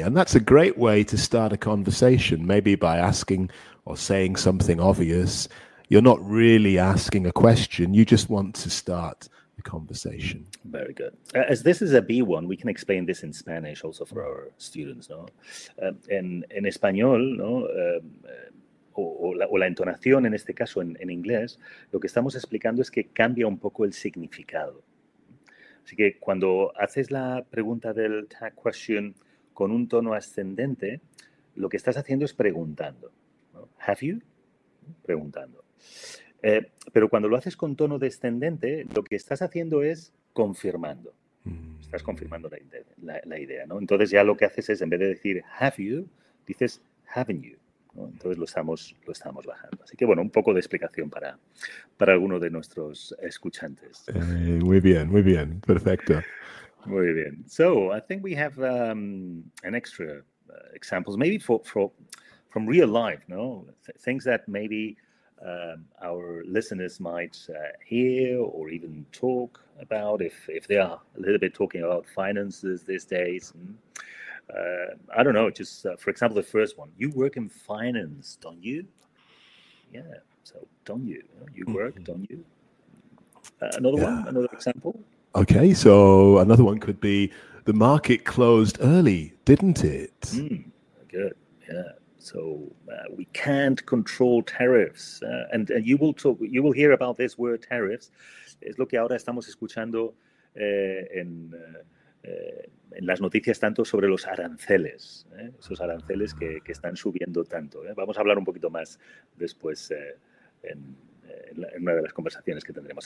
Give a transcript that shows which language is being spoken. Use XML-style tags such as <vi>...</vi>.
<en>And that's a great way to start a conversation, maybe by asking or saying something obvious. You're not really asking a question, you just want to start conversation. Very good. As this is a B1, we can explain this in Spanish also for our students, no?</en> <es>En español, no? O la entonación, en este caso, en inglés, lo que estamos explicando es que cambia un poco el significado. Así que cuando haces la pregunta del tag question con un tono ascendente, lo que estás haciendo es preguntando. ¿No?</es> <en>Have you?</en> <es>Preguntando. Pero cuando lo haces con tono descendente, lo que estás haciendo es confirmando. Estás confirmando la idea, ¿no? Entonces ya lo que haces es, en vez de decir</es> <en>have you,</en> <es>dices</es> <en>haven't you,</en> <es>¿no? Entonces lo estamos bajando. Así que, bueno, un poco de explicación para alguno de nuestros escuchantes. Muy bien, perfecto. Muy bien.</es> <en>So, I think we have an extra examples, maybe for from real life, no? Things that maybe our listeners might hear or even talk about if they are a little bit talking about finances these days. I don't know, just for example, the first one. You work in finance, don't you? Yeah, so don't you? You work, mm-hmm. don't you? Another example. Okay, so another one could be the market closed early, didn't it? Good, yeah. So we can't control tariffs. And you will talk, you will hear about this word tariffs.</en> <es>Es lo que ahora estamos escuchando en las noticias tanto sobre los aranceles, esos aranceles que están subiendo tanto. Vamos a hablar un poquito más después en una de las conversaciones que tendremos.</es>